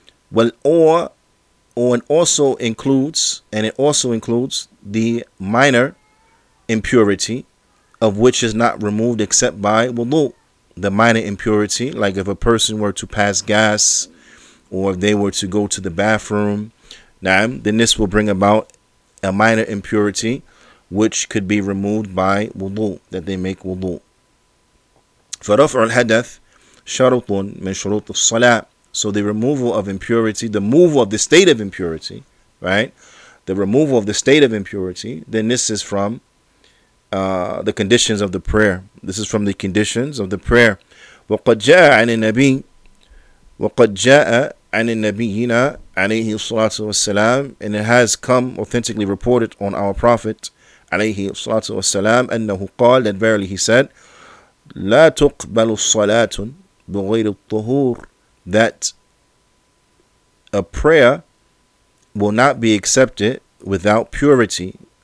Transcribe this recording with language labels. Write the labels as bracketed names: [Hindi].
[English] Well, or it also includes, and it also includes the minor impurity of which is not removed except by wudu. The minor impurity, like if a person were to pass gas, or if they were to go to the bathroom, Now, then this will bring about a minor impurity, which could be removed by wudu, that they make wudu. [Arabic] فرفع الحدث شرط من شروط الصلاة. [English] So the removal of impurity, the removal of the state of impurity, right? The removal of the state of impurity, then this is from the conditions of the prayer. This is from the conditions of the prayer. [Arabic] وقد جاء عن النبي وقد جاء عن النبينا عليه الصلاة والسلام, [English] and it has come authentically reported on our Prophet [Arabic] عليه الصلاة والسلام أنه قال, [English] that verily he said, [Arabic] لا تقبل الصلاة بغير الطهور, [English] that a prayer will not be accepted without purity.